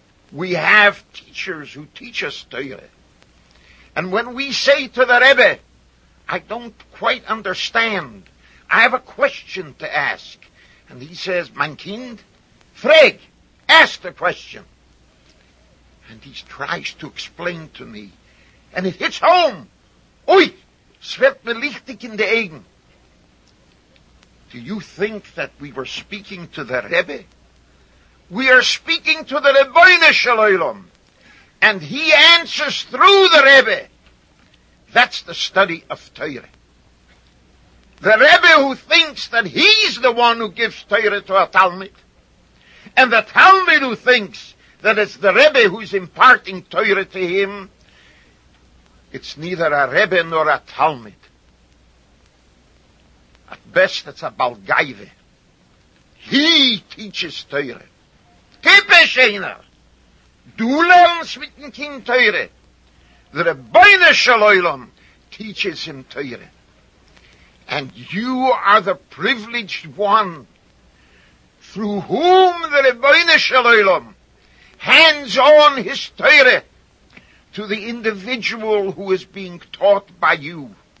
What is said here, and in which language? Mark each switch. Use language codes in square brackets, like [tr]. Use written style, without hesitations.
[en] We have teachers who teach us Torah. And when we say to the Rebbe, I don't quite understand. I have a question to ask. And he says, [yi] mein Kind, frag, [en] ask the question. And he tries to explain to me. And it hits home. [yi] Oi, es wird mir lichtig in die Augen. [en] Do you think that we were speaking to the Rebbe? We are speaking to the Ribbono shel Olam. And he answers through the Rebbe. That's the study of Torah. The Rebbe who thinks that he's the one who gives Torah to a Talmud. And the Talmud who thinks that it's the Rebbe who's imparting Torah to him. It's neither a Rebbe nor a Talmud. At best, it's a Balgaive. He teaches Torah. Kippeshena! [yi] Du lernst mit dem Kind Torah. [en] The Ribbono shel Olam teaches him Torah. And you are the privileged one through whom the Ribbono shel Olam hands on his Torah to the individual who is being taught by you.